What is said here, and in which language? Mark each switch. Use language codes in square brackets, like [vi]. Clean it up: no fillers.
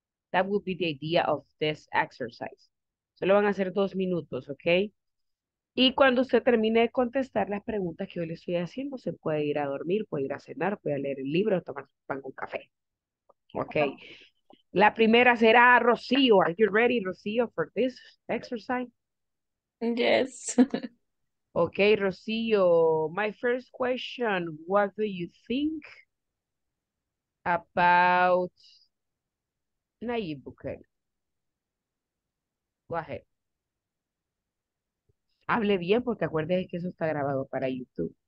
[en] That would be the idea of this exercise. [es] Solo van a hacer 2 minutos, ok. Y cuando usted termine de contestar las preguntas que yo le estoy haciendo, se puede ir a dormir, puede ir a cenar, puede leer el libro, tomar pan con café. [en] Okay, [es] la primera será Rocío. [en] Are you ready, Rocío, for this exercise? Yes. Okay, Rocío, my first question, what do you think about Nayib Bukele? Go ahead. [es] Hable bien, porque acuérdese que eso está grabado para YouTube.